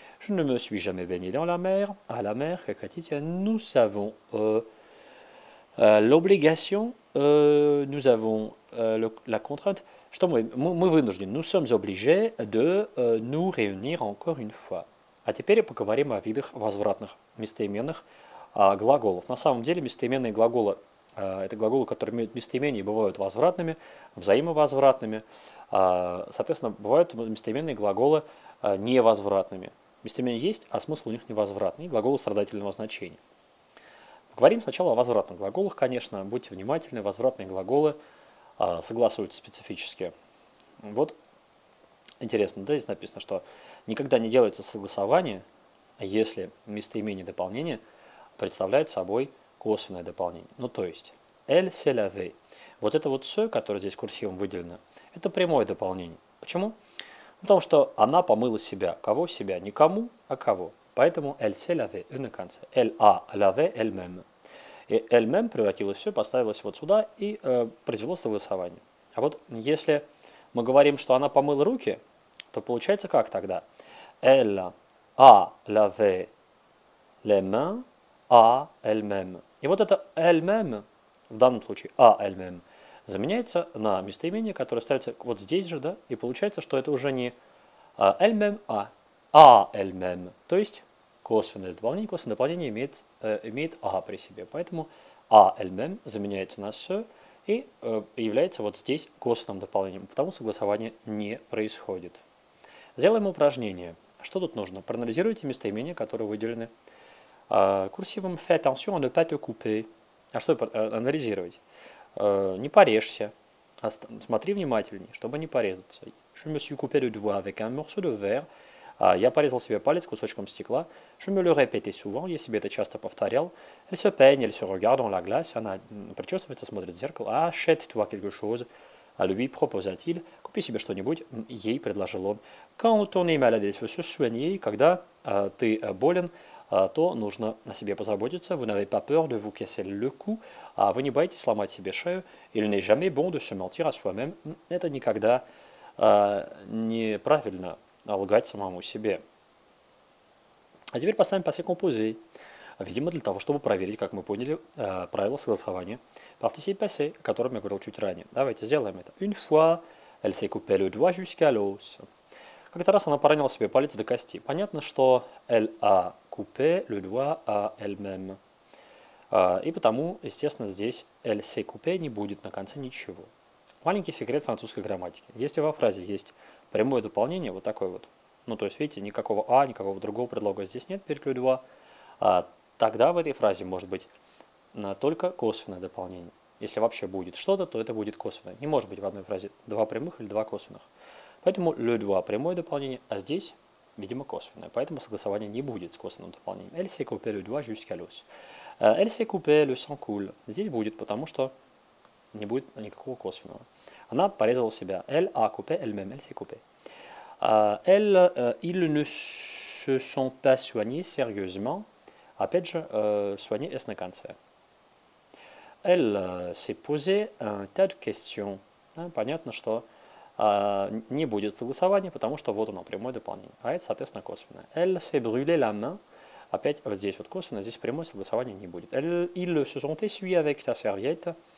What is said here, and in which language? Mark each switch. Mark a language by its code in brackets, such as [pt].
[fr] Je ne me suis jamais baigné dans la mer. À la mer, Katitia, nous savons l'obligation. Nous avons la contrainte. Nous sommes obligés de nous réunir encore une fois. [ru] А теперь поговорим о видах возвратных местоименных глаголов. На самом деле, местоименные глаголы это глаголы, которые имеют местоимение, бывают возвратными, взаимовозвратными. Соответственно, бывают местоименные глаголы невозвратными. Местоимение есть, а смысл у них невозвратный. Глаголы страдательного значения. Поговорим сначала о возвратных глаголах, конечно. Будьте внимательны, возвратные глаголы согласуются специфически. Вот интересно, да, здесь написано, что никогда не делается согласование, если местоимение дополнение представляет собой косвенное дополнение. Ну, то есть, [fr] elle s'est lavée. [ru] Вот это вот «se», которое здесь курсивом выделено, это прямое дополнение. Почему? Потому что она помыла себя. Кого себя? Никому, а кого? Поэтому [fr] elle s'est lavée, une [ru] конце. [fr] Elle a lavé elle-même. [ru] И elle-même превратилась в «se», поставилась вот сюда и произвело согласование. А вот если мы говорим, что она помыла руки, то получается как тогда? [fr] Elle a lavé les mains à elle-même. [ru] И вот это elle-même, в данном случае [fr] à elle-même, [ru] заменяется на местоимение, которое ставится вот здесь же, да, и получается, что это уже не elle-même, à elle-même. То есть косвенное дополнение имеет, имеет а при себе. Поэтому [fr] à elle-même [ru] заменяется на se, и является вот здесь косвенным дополнением, потому согласование не происходит. Сделаем упражнение. Что тут нужно? Проанализируйте местоимения, которые выделены курсивом. [fr] Fais attention à ne pas te couper. [ru] А что анализировать? Не порежься. Смотри внимательнее, чтобы не порезаться. [fr] Je me suis coupé le doigt avec un morceau de verre. [ru] Я порезал себе палец кусочком стекла. [fr] Je me le répétais souvent. [ru] Я себе это часто повторял. [fr] Elle se peigne, elle se regarde dans la glace. [ru] Она причесывается, смотрит в зеркало. [fr] Achète-toi quelque chose. Lui proposa-t-il. [ru] Купи себе что-нибудь. Ей предложил он. [fr] Quand on est malade, il faut se soigner. [ru] Когда ты болен, то нужно о себе позаботиться. [fr] Vous n'avez pas peur de vous casser le cou. [ru] Вы не боитесь сломать себе шею. [fr] Il n'est jamais bon de se mentir à soi-même. [ru] Это никогда неправильно. Лгать самому себе. А теперь поставим passé composé. Видимо, для того, чтобы проверить, как мы поняли правила согласования participe passé, о котором я говорил чуть ранее. Давайте сделаем это. [fr] Une fois, elle s'est coupée le doigt jusqu'à l'os. [ru] Как-то раз она поранила себе палец до кости. Понятно, что [fr] elle a coupé le doigt à elle-même. [ru] И потому, естественно, здесь [fr] elle s'est coupée [ru] не будет на конце ничего. Маленький секрет французской грамматики. Если во фразе есть прямое дополнение, вот такое вот. Ну, то есть, видите, никакого «а», никакого другого предлога здесь нет, перед «люди», тогда в этой фразе может быть только косвенное дополнение. Если вообще будет что-то, то это будет косвенное. Не может быть в одной фразе два прямых или два косвенных. Поэтому «люди» – прямое дополнение, а здесь, видимо, косвенное. Поэтому согласование не будет с косвенным дополнением. [fr] «Elle s'est coupée le doigt jusqu'à l'os». «Elle s'est coupée le sang coule». [ru] Здесь будет, потому что не будет никакого косвенного. Она порезала себя. [fr] Elle a coupé elle-même. Elle s'est coupée. Ils ne se sont pas soignés sérieusement. [ru] Опять же, [fr] soigner est [ru] на конце. [fr] Elle s'est posé un tas de questions. [ru] Понятно, что не будет согласования, потому что вот оно, прямое дополнение. А это, соответственно, косвенное. [fr] Elle s'est brûlée la main. [ru] Опять вот здесь вот косвенно, здесь прямое согласование не будет. [fr] Ils se sont essuyés avec ta serviette.